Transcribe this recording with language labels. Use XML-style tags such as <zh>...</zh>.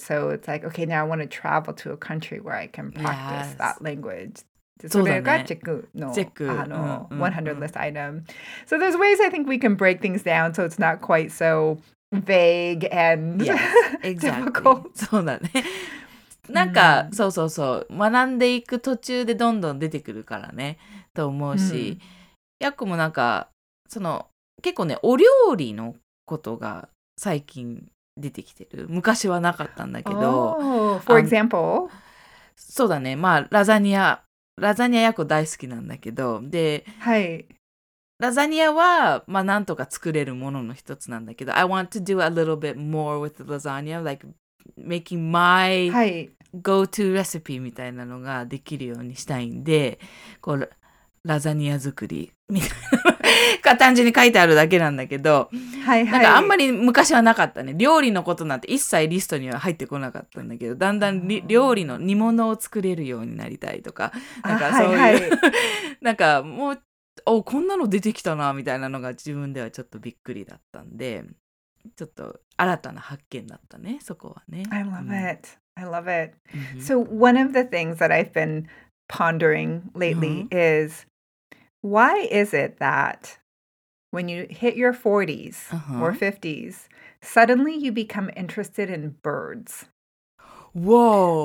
<en>So it's like, okay, now I want to travel to a country where I can practice yes. that language.</en> <ja>そうだね。それがチェックの、チェック、100 list item.</ja> <en>So there's ways I think we can break things down so it's not quite so vague and difficult.</en> <ja>そうだね。なんか、mm. そうそうそう。学んでいく途中でどんどん出てくるからね。と思うし。ヤッコもなんか、その、結構ね、お料理のことが最近出てきてる。昔はなかったんだけど。</ja> <en>Oh, for example?</en> <ja>そうだね。まあ、ラザニア。ラザニアヤコ大好きなんだけど、で、はい、ラザニアはまあなんとか作れるものの一つなんだけど、</ja> <en>I want to do a little bit more with the lasagna, like making my go-to recipe</en> <ja>みたいなのができるようにしたいんで、こう ラザニア作りみたいな、単純に書いてあるだけなんだけど、はいはい、なんかあんまり昔はなかったね、料理のことなんて一切リストには入ってこなかったんだけど、だんだん料理の煮物を作れるようになりたいとか、なんかそういう、はいはい、なんかもう、おこんなの出てきたなみたいなのが自分ではちょっとびっくりだったんで、ちょっと新たな発見だったね、そこはね。</ja> <en>I love it. I love it. So one of the things that I've been pondering lately is why is it that when you hit your 40s or 50s, suddenly you become interested in birds? Whoa.</en>